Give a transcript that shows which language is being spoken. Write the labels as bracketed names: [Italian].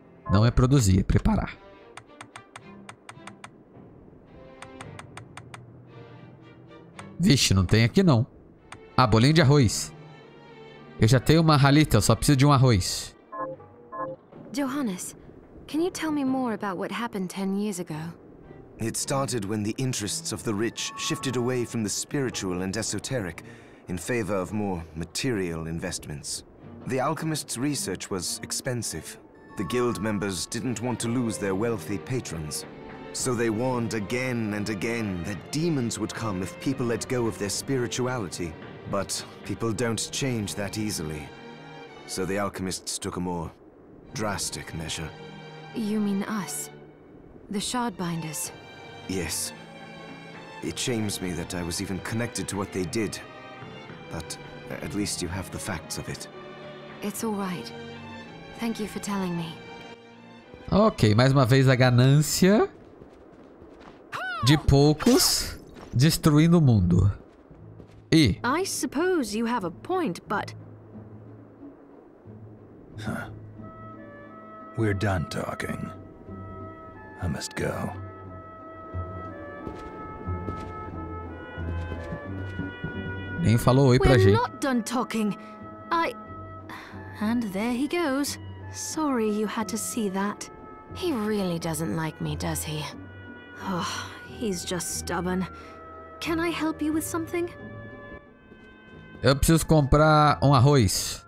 [Portuguese] Não é produzir, é preparar. Vixe, não tem aqui não. Ah, bolinho de arroz. Eu já tenho uma ralita, eu só preciso de um arroz. [English] Johannes, can you tell me more about what happened 10 years ago? It started when the interests of the rich shifted away from the spiritual and esoteric in favor of more material investments. The alchemists' research was expensive. The guild members didn't want to lose their wealthy patrons. So they warned again and again that demons would come if people let go of their spirituality. But people don't change that easily. So the alchemists took a more drastic measure. You mean us? The Shardbinders? Yes. It shames me that I was even connected to what they did. But at least you have the facts of it. It's all right. Thank you for telling me. [Portuguese] Ok, mais uma vez a ganância. De poucos, destruindo o mundo. E? [English] I suppose you have a point, but... We're done talking. I must go. [Portuguese] Nem falou oi pra [English] We're [Portuguese] gente. [English] Not done talking. I... And there he goes. Sorry you had to see that. He really doesn't like me, does he? Oh, he's just stubborn. Can I help you with something? [Portuguese] Eu preciso comprar um arroz.